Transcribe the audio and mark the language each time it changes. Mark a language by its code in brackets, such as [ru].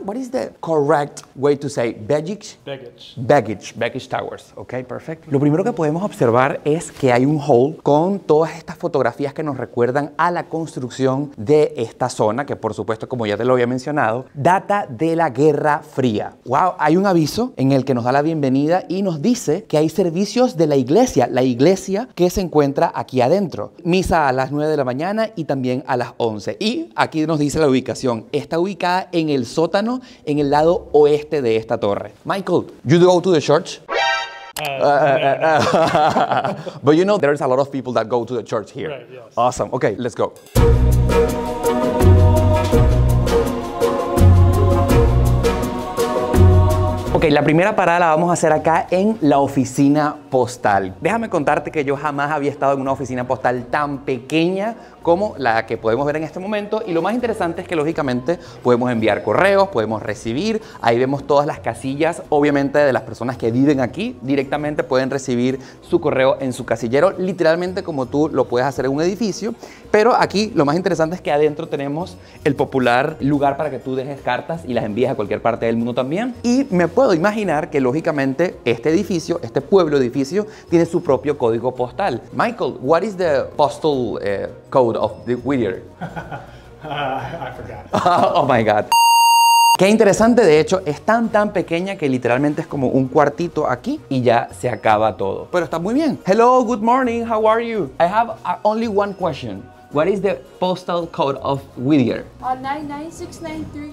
[en] What is the correct way to say baggage? Baggage. Baggage, baggage towers. Okay, perfect. [es] Lo primero que podemos observar es que hay un hall con todas estas fotografías que nos recuerdan a la construcción de esta zona, que por supuesto, como ya te lo había mencionado, data de la Guerra Fría. Wow, hay un aviso en el que nos da la bienvenida y nos dice que hay servicios de la iglesia que se encuentra aquí adentro. Misa a las 9 de la mañana y también a las 11. Y aquí nos dice la ubicación. Está ubicada en el sótano, en el lado oeste de esta torre. [en] Michael, you go to the church? But you know, there's a lot of people that go to the church here. Right, yes. Awesome. Okay, let's go. Ok, [es] la primera parada la vamos a hacer acá en la oficina postal. Déjame contarte que yo jamás había estado en una oficina postal tan pequeña como la que podemos ver en este momento. Y lo más interesante es que, lógicamente, podemos enviar correos, podemos recibir. Ahí vemos todas las casillas, obviamente, de las personas que viven aquí. Directamente pueden recibir su correo en su casillero, literalmente como tú lo puedes hacer en un edificio. Pero aquí lo más interesante es que adentro tenemos el popular lugar para que tú dejes cartas y las envíes a cualquier parte del mundo también. Y me puedo imaginar que, lógicamente, este edificio, este pueblo edificio, tiene su propio código postal. [en] Michael, what is the postal code of the Whittier? I forgot. Oh my God. [es] Qué interesante, de hecho, es tan tan pequeña que literalmente es como un cuartito aquí y ya se acaba todo. Pero está muy bien. [en] Hello, good morning, how are you? I have only one question. What is the postal code of Whittier? 99693.